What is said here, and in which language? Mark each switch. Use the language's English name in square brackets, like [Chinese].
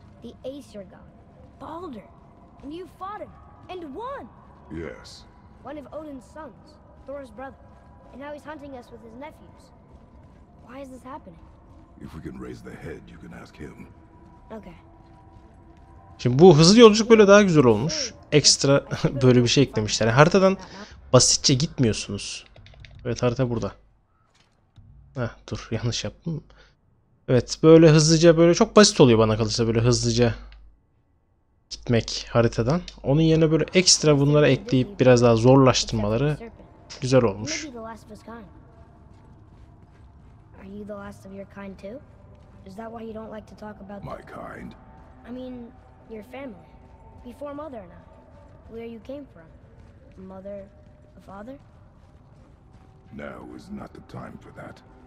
[English] The Aesir god. Baldur! And you fought him! And won! Yes. One of Odin's sons, Thor's brother. And now he's hunting us with his nephews. Why is this happening? If we can raise the head, you can ask him. Okay. [Turkish] Şimdi bu hızlı yolculuk böyle daha güzel olmuş. Ekstra böyle bir şey eklemişler. Yani haritadan basitçe gitmiyorsunuz. Evet, harita burada. Heh, dur, yanlış yaptım. Evet, böyle hızlıca, böyle çok basit oluyor bana kalırsa böyle hızlıca gitmek haritadan. Onun yerine böyle ekstra bunları ekleyip biraz daha zorlaştırmaları güzel olmuş. [English] Are you the last of your kind too? Is that why you don't like to talk about my kind? I mean, your family. Before mother and I. Where you came from? Mother, a father? Now is not the time for that.